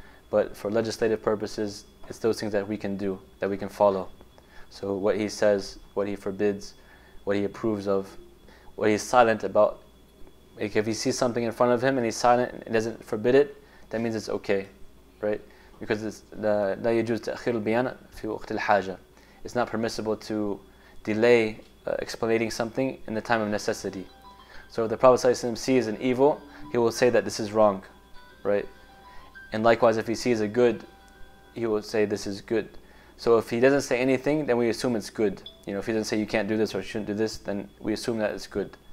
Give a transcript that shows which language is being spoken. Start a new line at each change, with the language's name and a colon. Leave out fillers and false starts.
English: But for legislative purposes, it's those things that we can do, that we can follow. So what he says, what he forbids, what he approves of, what he's silent about. Like if he sees something in front of him and he's silent and doesn't forbid it, that means it's okay, right? Because it's the
Arabic: لَا يَجُوزْ تَأْخِيرُ الْبِيَانَ فِي وَقْتِ الْحَاجَةِ.
English: It's not permissible to delay explaining something in the time of necessity. So if the Prophet ﷺ sees an evil, he will say that this is wrong, right? And likewise, if he sees a good, he will say this is good. So if he doesn't say anything, then we assume it's good. You know, if he doesn't say you can't do this or shouldn't do this, then we assume that it's good.